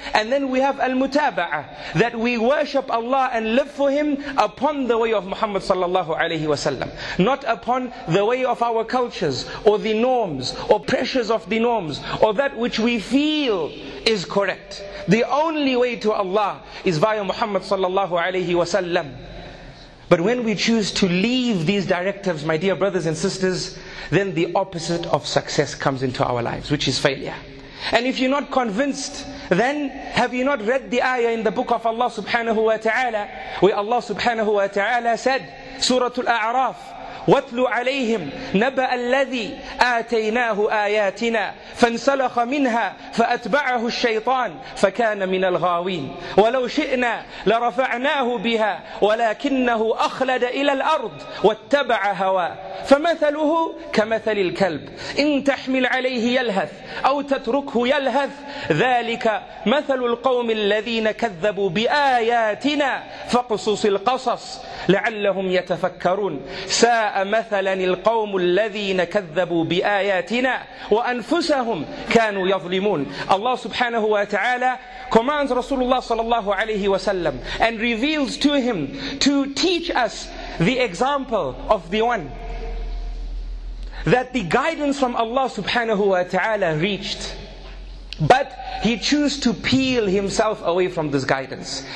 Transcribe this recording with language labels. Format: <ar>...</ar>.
<en>And then we have al-mutaba'ah, that we worship Allah and live for Him upon the way of Muhammad sallallahu alayhi wasallam, not upon the way of our cultures or the norms or pressures of the norms or that which we feel is correct. The only way to Allah is via Muhammad sallallahu alayhi wasallam. But when we choose to leave these directives, my dear brothers and sisters, then the opposite of success comes into our lives, which is failure. And if you're not convinced, then have you not read the ayah in the book of Allah subhanahu wa ta'ala, where Allah subhanahu wa ta'ala said, Surah Al-A'raf,</en> <ar>وَاتْلُ عَلَيْهِمْ نَبَأَ الَّذِي آتَيْنَاهُ آيَاتِنَا فَانْسَلَخَ مِنْهَا فَأَتْبَعَهُ الشَّيْطَانُ فَكَانَ مِنَ الْغَاوِينَ وَلَوْ شِئْنَا لَرَفَعْنَاهُ بِهَا وَلَكِنَّهُ أَخْلَدَ إِلَى الْأَرْضِ وَاتَّبَعَ هَوَاهُ فَمَثَلُهُ كَمَثَلِ الْكَلْبِ إِنْ تَحْمِلْ عَلَيْهِ يَلْهَثْ أَوْ تَتْرُكْهُ يَلْهَثْ ذَلِكَ مَثَلُ الْقَوْمِ الَّذِينَ كَذَّبُوا بِآيَاتِنَا فَاقْصُصِ الْقَصَصَ لَعَلَّهُمْ يَتَفَكَّرُونَ مثلا القوم الذين كذبوا بآياتنا وأنفسهم كانوا يظلمون.</ar> <en>Allah subhanahu wa ta'ala commands Rasulullah sallallahu alayhi wa sallam and reveals to him to teach us the example of the one that the guidance from Allah subhanahu wa ta'ala reached, but he chose to peel himself away from this guidance.</en>